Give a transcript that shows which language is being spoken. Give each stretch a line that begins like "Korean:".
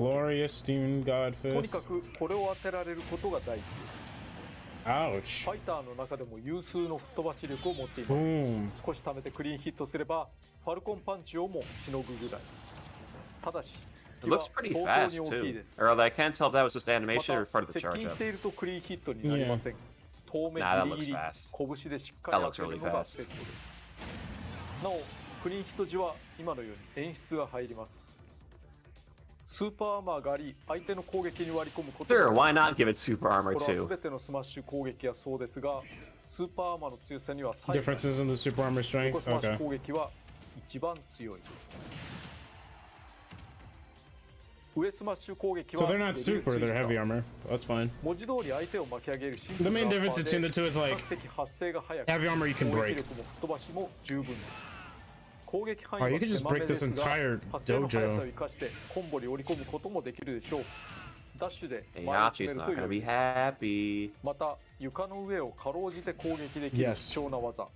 Japanese: 利。
English: Glorious Demon God Fist.
Japanese: とにかくこれを当てられることが大事です。
English: Ouch.
Japanese: ファイターの中でも有数の吹っ飛ばし力を持っています。
English: Boom.
Japanese: 少し溜めてクリーンヒットすればファルコンパンチをもしのぐぐらい。ただし、隙は相当に大きいです。
English: It looks pretty fast too. Or I can't tell if that was just animation or part of the charge up.
Japanese: 接近しているとクリーンヒットになりません。遠目ギリギリ、拳でしっかり当てるのがベストです。なお。クリーンヒット時は今のように演出が入ります。スーパーアーマーがあり相手の攻撃に割り込むことができます。
English: Sure, why not give it super armor too?
Japanese: これは全てのスマッシュ攻撃はそうですが、スーパーアーマーの強さには差異。
English: Differences in the super armor strength?
Japanese: 横スマッシュ攻撃は一番強い。上スマッシュ攻撃は
English: So they're not super, they're heavy armor. That's fine.
Japanese: 文字通り相手を巻き上げる。
English: The main difference between the two is like
Japanese: 比較的発生が早く
English: Heavy armor you can break.
Japanese: 攻撃力も吹っ飛ばしも十分です。攻撃範囲は狭めですが、発生の速さを生かしてコンボに織り込むこともできるでしょう。ダッシュで前を詰めるというより、また床の上をかろうじて攻撃できる貴重な技。